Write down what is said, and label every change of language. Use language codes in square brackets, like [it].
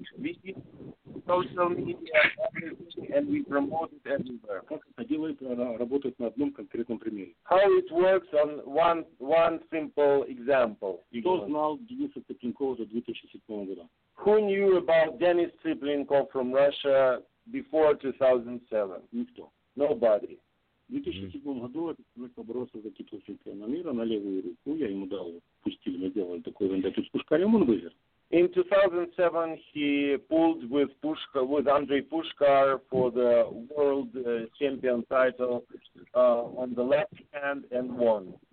[en] We use social media, and we promote it everywhere. How it works on one simple example. Who knew about Denis Cyprienko from Russia before 2007? [ru] Никто. [en] Nobody. [ru] В 2007 году Цыпленко боролся за титул чемпиона мира на левую руку. Я ему дал, пустили, мы делали такой вендетту с Пушкарем, он вывер. [en] In 2007 he pulled with Andrei Pushkar for the world champion title on the left hand and won.